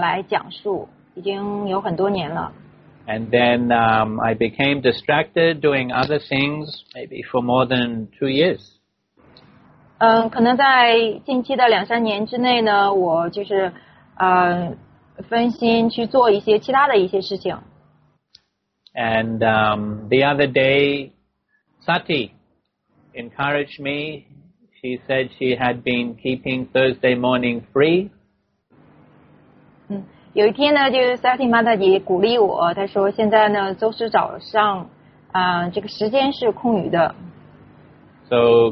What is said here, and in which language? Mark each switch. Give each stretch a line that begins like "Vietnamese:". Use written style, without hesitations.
Chinese: 基本上呢，我都在周四的早上来讲述，已经有很多年了。And
English: then I became distracted doing other things, maybe for more than 2 years.
Chinese: 可能在近期的两三年之内呢，我就是。
English: And the other day, Sati encouraged me. She said she had been keeping Thursday morning free.
Chinese: 有一天呢，就是Sati妈妈也鼓励我，她说现在呢，周四早上，这个时间是空余的。So